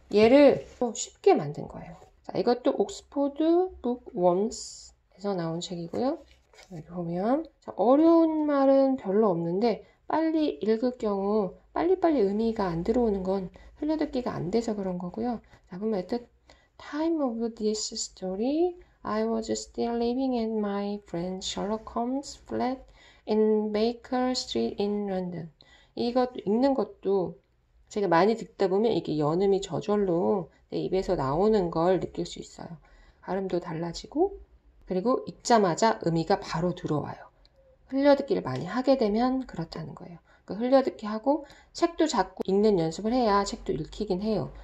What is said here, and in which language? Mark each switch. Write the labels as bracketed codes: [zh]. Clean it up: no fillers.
[ko] 얘를 또 쉽게 만든 거예요. 자, 이것도 옥스포드 북웜스에서 나온 책이고요. 여기 보면 자, 어려운 말은 별로 없는데 빨리 읽을 경우 빨리빨리 의미가 안 들어오는 건 흘려듣기가 안 돼서 그런 거고요. 자, 그럼 여튼 [en] Time of this story I was still living at my friend Sherlock Holmes' flat in Baker Street in London. [ko] 이것도 읽는 것도 제가 많이 듣다 보면 이게 연음이 저절로 내 입에서 나오는 걸 느낄 수 있어요. 발음도 달라지고 그리고 읽자마자 의미가 바로 들어와요. 흘려듣기를 많이 하게 되면 그렇다는 거예요. 그러니까 흘려듣기 하고 책도 자꾸 읽는 연습을 해야 책도 읽히긴 해요.